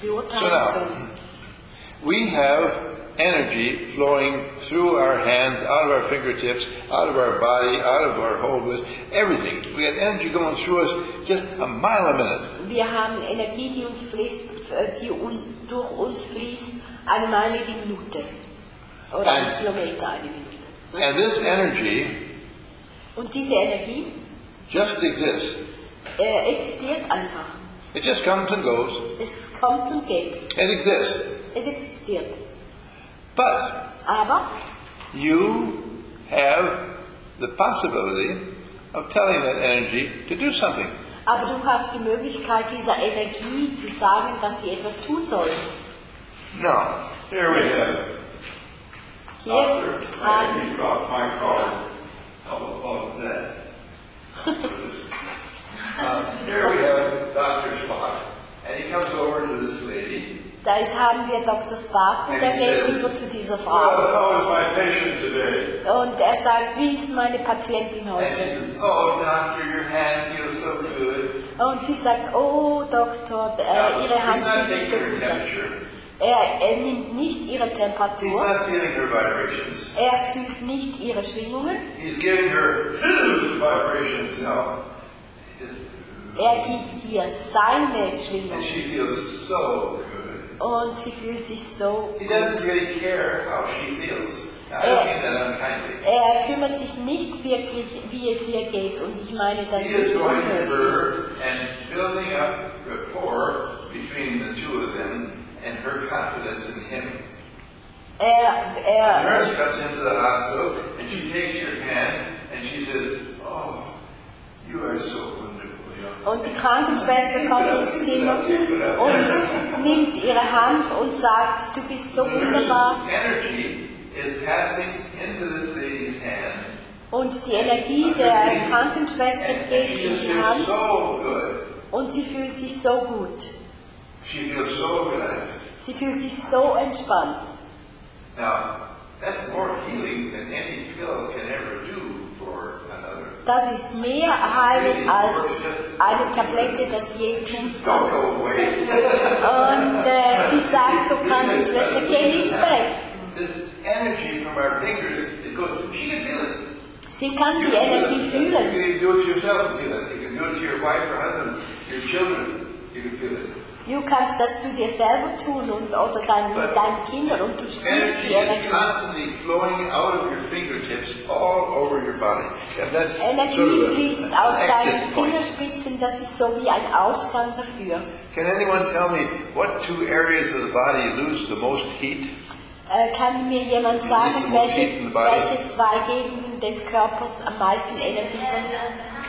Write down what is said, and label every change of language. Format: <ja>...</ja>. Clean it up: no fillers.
<en>So now, we have energy flowing through our hands, out of our fingertips, out of our body, out of our whole body, everything. We have energy going through us just a mile a minute.</en> <de>Wir haben Energie, die uns fließt, durch uns fließt, eine Meile die Minute. Oder ein Kilometer eine Minute.</de> <en>And this energy,</en> <de>und diese Energie</de> <en>just exists.</en> <de>Existiert einfach.</de> <en>It just comes and goes.</en> <de>Es kommt und geht.</de> <en>It exists.</en> <de>Es existiert.</de> <en>But</en> <de>aber</de> <en>you have the possibility of telling that energy to do something.</en> <de>Aber du hast die Möglichkeit, dieser Energie zu sagen, dass sie etwas tun soll.</de> <en>No, here we have it.</en> <de>Hier haben wir.</de> <en>Doctor, I need to drop my card above that. here we have Dr. Spock, and he comes over to this lady.</en> <de>Da ist, haben wir Dr. Sparkle, der redet immer zu dieser Frau.</de> <en>Well, how is my patient today?</en> <de>Und er sagt, wie ist meine Patientin heute?</de> <en>Says, oh, doctor, your hand feels so good.</en> <de>Und sie sagt, oh Doktor, ihre Hand fühlt sich so gut. Er nimmt nicht ihre Temperatur.</de> <en>He's not feeling her vibrations.</en> <de>Er fühlt nicht ihre Schwingungen.</de> <en>He's giving her vibrations now.</en> <de>Er gibt ihr seine Schwingungen.</de> <en>And she feels so good.</en> <de>Und sie fühlt sich so gut.</de> <en>He doesn't really care how she feels.</en> <de>Er kümmert sich nicht wirklich, wie es ihr geht. Und ich meine, dass er nicht unhöflich ist.</de> <en>He is going to her and building up rapport between the two of them. And her confidence in him. The nurse comes into the hospital and she takes your hand and she says, oh, you are so wonderful.</en> <de>Und die Krankenschwester kommt ins Zimmer und nimmt ihre Hand und sagt, du bist so wunderbar.</de> <en>Energy is passing into this lady's hand.</en> <de>Und die Energie der Krankenschwester geht in die Hand. Und sie fühlt sich so gut.</de> <en>She feels so relaxed.</en> <de>Sie fühlt sich so entspannt.</de> <en>Now, that's more healing than any pill can ever do for another.</en> <de>Das ist mehr heilend als eine Tablette, das je tun kann.</de> <en>Don't go away.</en> <de>Und sie sagt so krank, ich lasse gehen nicht weg.</de> <en>This energy from our fingers, it goes, she can feel it.</en> <de>Sie kann die Energie fühlen.</de> <en>You can do it yourself and feel it. You can do it to your wife or husband, your children, you can feel it.</en> <de>Du kannst das du dir selber tun und oder deinen Kindern und du spürst die Energie.</de> <en>Energy is constantly flowing out of your fingertips all over your body.</en> <de>Energie fließt aus deinen Fingerspitzen. Das ist so wie ein Ausgang dafür.</de> <en>Can anyone tell me what two areas of the body lose the most heat?</en> <de>Kann mir jemand sagen, welche zwei Gegenden des Körpers am meisten Energie verlieren?</de>